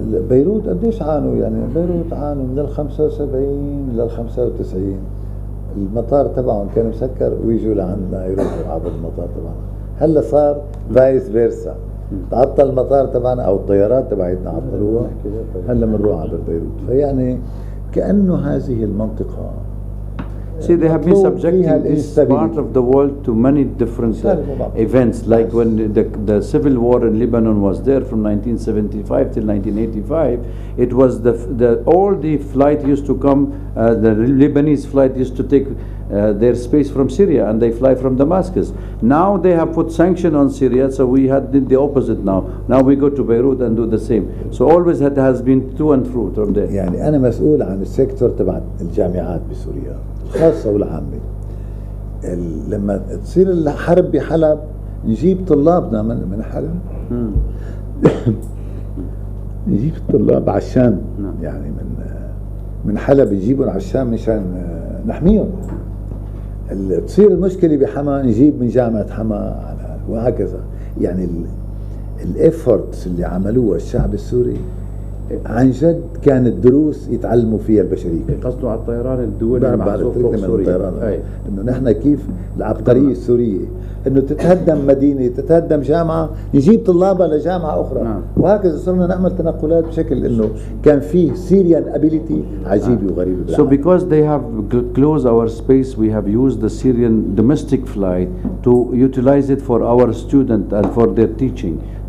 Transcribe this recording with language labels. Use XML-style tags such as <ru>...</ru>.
<ar>بيروت قديش عانوا يعني بيروت عانوا من 75 لل 95 المطار تبعهم كان مسكر ويجوا لعندنا يروحوا عبر المطار تبعنا هلا صار فايس فيرسا تعطل المطار تبعنا او الطيارات تبعتنا عطلوها هلا بنروح عبر بيروت فيعني كانه هذه المنطقه</ar> <en>See, they have been subjecting this part of the world to many different events, like when the civil war in Lebanon was there from 1975 till 1985, it was all the flight used to come, the Lebanese flight used to take their space from Syria and they fly from Damascus. Now they have put sanction on Syria, so we had the opposite now. Now we go to Beirut and do the same. So always it has been to and fro from there.</en> <ar>يعني أنا مسؤول عن السيكتور تبع الجامعات بسوريا. خاصة والعامة لما تصير الحرب بحلب نجيب طلابنا من حلب نجيب الطلاب عشان يعني من حلب نجيبهم عشان مشان نحميهم تصير المشكلة بحما نجيب من جامعة حما وهكذا يعني الافورتس اللي عملوها الشعب السوري عن جد كانت دروس يتعلموا فيها البشرية. قصدوا على الطيران الدولي المعصوم فوق سوريا. إنه نحن كيف العبقرية السورية إنه تتهدم مدينة تتهدم جامعة نجيب طلابها لجامعة أخرى وهكذا صرنا نعمل تنقلات بشكل إنه كان فيه</ar> <en>Syrian ability</en> <ar>عجيب وغريب.</ar> <en>So because they have closed our space, we have used the Syrian domestic flight to utilize it for our student and for their teaching.</en>